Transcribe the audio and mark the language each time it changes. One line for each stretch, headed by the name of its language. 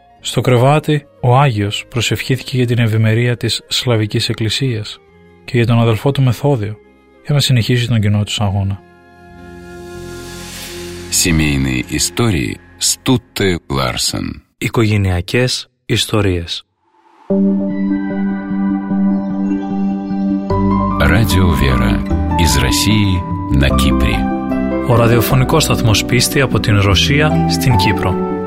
Greek: Στο κρεβάτι, ο Άγιος προσευχήθηκε για την ευημερία της Σλαβικής Εκκλησίας και για τον αδελφό του Μεθόδιο για να συνεχίσει τον κοινό τους αγώνα.
Russian: Семейные истории Стутте Ларсен.
Greek: Οικογενειακές ιστορίες.
Russian: Радио Вера из России на Кипре.
Greek: Ο ραδιοφωνικός σταθμός πίστη από την Ρωσία στην Κύπρο.